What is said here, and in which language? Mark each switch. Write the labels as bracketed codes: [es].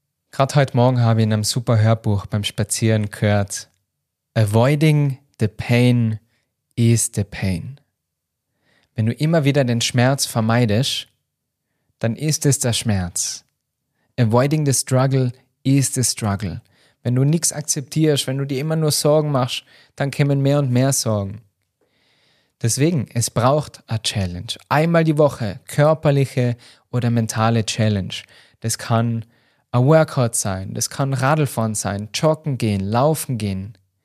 [de] Gerade heute Morgen habe ich in einem super Hörbuch beim Spazieren gehört, [en] Avoiding the pain is the pain. [de] Wenn du immer wieder den Schmerz vermeidest, dann ist es der Schmerz. [en] Avoiding the struggle is the struggle. [de] Wenn du nichts akzeptierst, wenn du dir immer nur Sorgen machst, dann kämen mehr und mehr Sorgen. Deswegen, es braucht eine Challenge. Einmal die Woche, körperliche oder mentale Challenge. Das kann ein Workout sein, das kann Radlfahren sein, Joggen gehen, Laufen gehen.